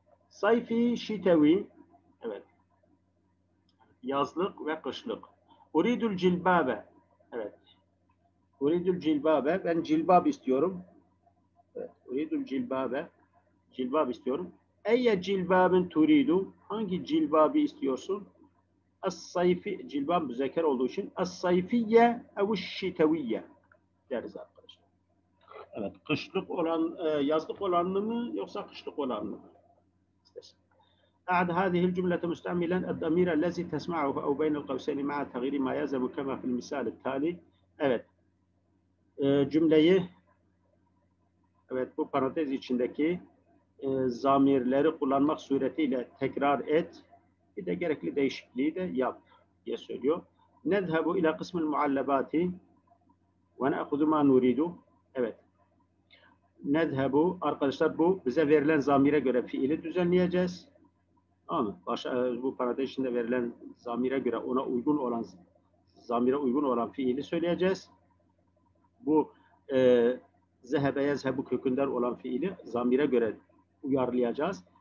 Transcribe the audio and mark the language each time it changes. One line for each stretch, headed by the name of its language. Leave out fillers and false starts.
Arabic: Sayfi şitevi.
Turkish: Evet. Yazlık ve kışlık.
Arabic: Uridul cilbabe. Evet. Uridul cilbabe.
Turkish: Ben cilbab istiyorum. Evet.
Arabic: Uridul cilbabe.
Turkish: Cilbab istiyorum.
Arabic: Eyye cilbabin turidu.
Turkish: Hangi cilbabı istiyorsun?
Arabic: الصيفي جلباب مذكر
Turkish: olduğu için
Arabic: الصيفيه او الشتويه
Turkish: deriz arkadaşlar. Evet, kışlık olan yazlık olanını mı yoksa kışlık olanını mı?
Arabic: بعد هذه الجملة مستعملا الضمير الذي تسمعه أو بين القوسين مع تغيير ما يلزم كما في المثال التالي.
Turkish: Evet. Cümleyi evet bu parantez içindeki zamirleri kullanmak suretiyle tekrar et. Bir de gerekli değişikliği de yap diye söylüyor.
Arabic: نذهب إلى قسم المعلبات ونأخذ ما نريد.
Turkish: Evet. نذهب arkadaşlar bu bize verilen zamire göre fiili düzenleyeceğiz. Bu parantez içinde verilen zamire göre ona uygun olan zamire uygun olan fiili söyleyeceğiz. Bu zehebe yezhebu kökünden olan fiili zamire göre uyarlayacağız.